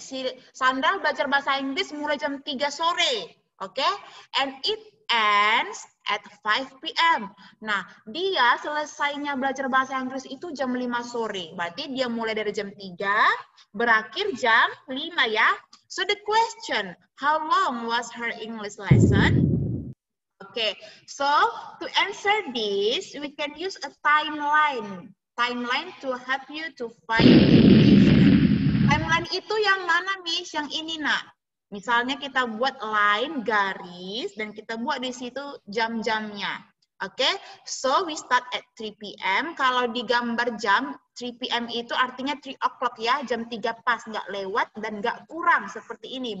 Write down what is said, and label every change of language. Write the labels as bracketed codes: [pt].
[id] Si Sandra belajar bahasa Inggris mulai jam 3 sore. Oke, okay? [en] And it ends at 5 p.m. [id] Nah, dia selesainya belajar bahasa Inggris itu jam 5 sore. Berarti dia mulai dari jam 3, berakhir jam 5 ya. [en] So the question, how long was her English lesson? Okay, so to answer this, we can use a timeline. Timeline to help you to find the answer. [id] Timeline itu yang mana, Miss? Yang ini, Nak. Misalnya kita buat line, garis, dan kita buat di situ jam-jamnya. [en] Okay, so we start at 3 p.m. [id] Kalau digambar jam, [en] 3 p.m. [id] itu artinya [en] 3 o'clock [id] ya, jam 3 pas, nggak lewat dan nggak kurang seperti ini.